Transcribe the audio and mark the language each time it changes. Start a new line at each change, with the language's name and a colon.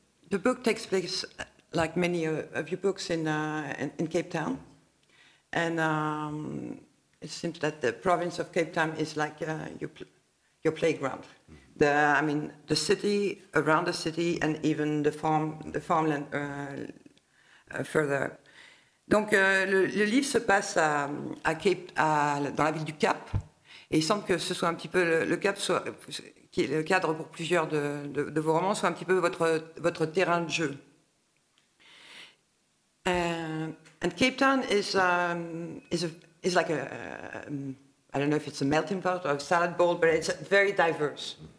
English: The book takes place, like many of your books, in Cape Town, and it seems that the province of Cape Town is like your playground. The city around the city, and even the farmland further.
French: Donc le livre se passe dans la ville du Cap, et il semble que ce soit un petit peu le Cap soit qui est le cadre pour plusieurs de vos romans, soit un petit peu votre terrain de jeu.
English: And Cape Town is like a I don't know if it's a melting pot or a salad bowl, but it's very diverse.